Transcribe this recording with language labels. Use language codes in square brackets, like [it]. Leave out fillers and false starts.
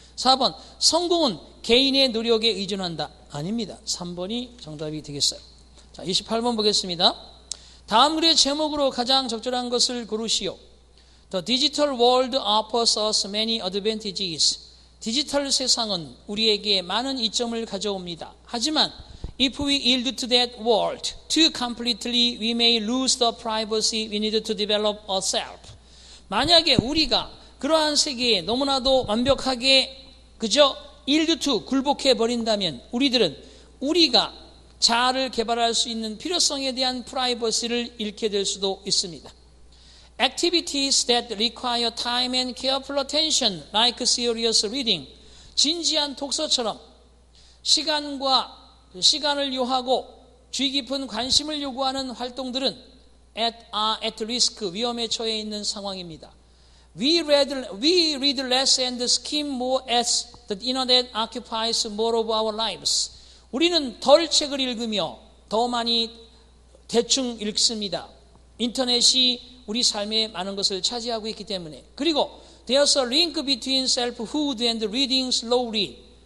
[ko] 4번, 성공은 개인의 노력에 의존한다. 아닙니다. 3번이 정답이 되겠어요. 자, 28번 보겠습니다. 다음 글의 제목으로 가장 적절한 것을 고르시오. [en] The digital world offers us many advantages. [ko] 디지털 세상은 우리에게 많은 이점을 가져옵니다. 하지만 [en] If we yield to that world too completely, we may lose the privacy we need to develop ourselves. [ko] 만약에 우리가 그러한 세계에 너무나도 완벽하게 그저 일루투 굴복해 버린다면 우리들은 우리가 자아를 개발할 수 있는 필요성에 대한 프라이버시를 잃게 될 수도 있습니다. [en] Activities that require time and careful attention, like serious reading, [ko] 진지한 독서처럼 시간과 시간을 요하고 주의깊은 관심을 요구하는 활동들은 [en] at risk, [ko] 위험에 처해 있는 상황입니다. [en] We read less and skim more as the internet occupies more of our lives. [ko] 우리는 덜 책을 읽으며 더 많이 대충 읽습니다. 인터넷이 우리 삶에 많은 것을 차지하고 있기 때문에. 그리고 [en] there's a link between selfhood and reading slowly.